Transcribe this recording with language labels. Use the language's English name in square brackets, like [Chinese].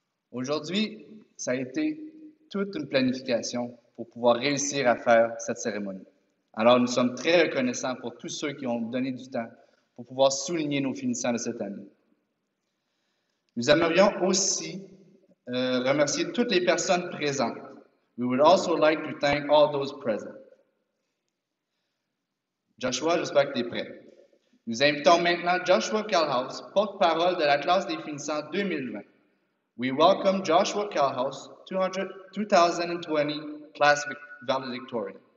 [French] Aujourd'hui, ça a été toute une planification pour pouvoir réussir à faire cette cérémonie. Alors, nous sommes très reconnaissants pour tous ceux qui ont donné du temps pour pouvoir souligner nos finissants de cette année. Nous aimerions aussi remercier toutes les personnes présentes. [English] We would also like to thank all those present. [French] Joshua, j'espère que tu es prêt. Nous invitons maintenant Joshua Kalhaus, porte-parole de la classe des finissants 2020. [English] We welcome Joshua Kalhaus, 2020 class valedictorian.